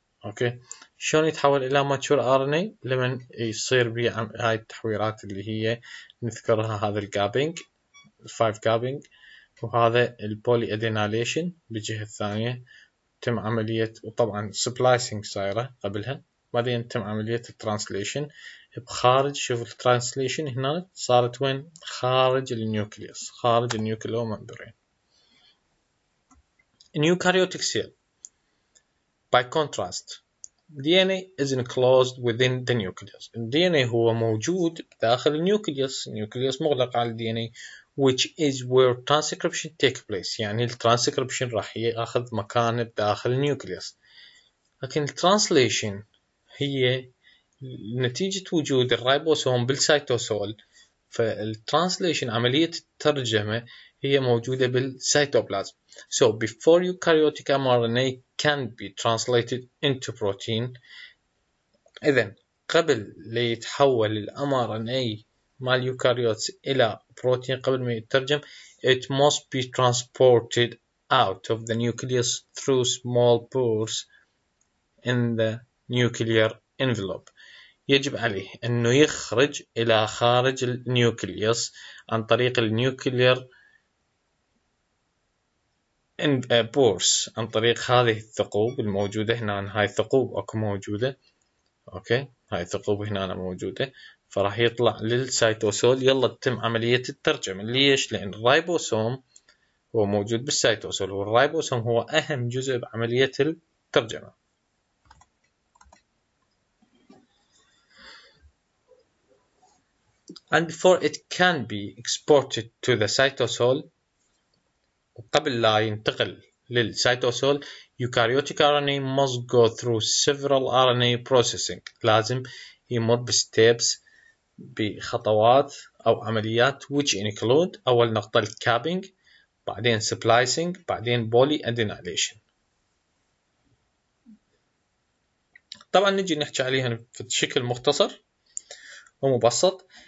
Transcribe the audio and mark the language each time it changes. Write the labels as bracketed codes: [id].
[ar] اوكي، شلون يتحول الى ماتشور ار ان اي؟ لمن يصير بي هاي التحويرات اللي هي نذكرها، هذا الجابينج، الفايف جابينج، وهذا البولي ادينيليشن بالجهه الثانيه، تم عمليه، وطبعا سبلايسنج صايره قبلها، بعدين تم عمليه الترانسليشن بخارج. شوف الترانسليشن هنا صارت وين؟ خارج النيوكليوس، خارج النيوكليو ممبرين. [en] Eukaryotic cell by contrast, DNA is enclosed within the nucleus. [ar] DNA هو موجود داخل النيوكليوس، النيوكليوس مغلق على DNA, [en] which is where transcription takes place. [ar] يعني الترانسكريبشن راح ياخذ مكان داخل النيوكليوس. لكن الترانسليشن هي نتيجة وجود الرايبوسوم بالسيتوسول، فالترانسليشن عملية الترجمة هي موجودة بالسيتوبلازم. [en] So before eukaryotic mRNA can be translated into protein, [ar] إذن قبل ليتحول mRNA مال eukaryotes إلى بروتين، قبل ما يترجم، [en] it must be transported out of the nucleus through small pores in the nuclear envelope. [ar] يجب عليه أنه يخرج إلى خارج النيوكليوس عن طريق النيوكليار بورس، عن طريق هذه الثقوب الموجودة هنا. هاي ثقوب أكو موجودة، أوكي، هاي ثقوب هنا موجودة، فراح يطلع للسيتوسول. يلا تتم عملية الترجمة. ليش؟ لأن الرايبوسوم هو موجود بالسيتوسول، والرايبوسوم هو أهم جزء بعملية الترجمة. [en] And before it can be exported to the cytosol, [ar] قبل لا ينتقل للسيتوسول، [en] eukaryotic RNA must go through several RNA processing. [ar] لازم يمر بستيبس، بخطوات أو عمليات، [en] which include [ar] أول نقطة الكابينج، بعدين سبلايسنج، بعدين بولي أدينيليشن. طبعا نجي نحكي عليها بشكل مختصر ومبسط.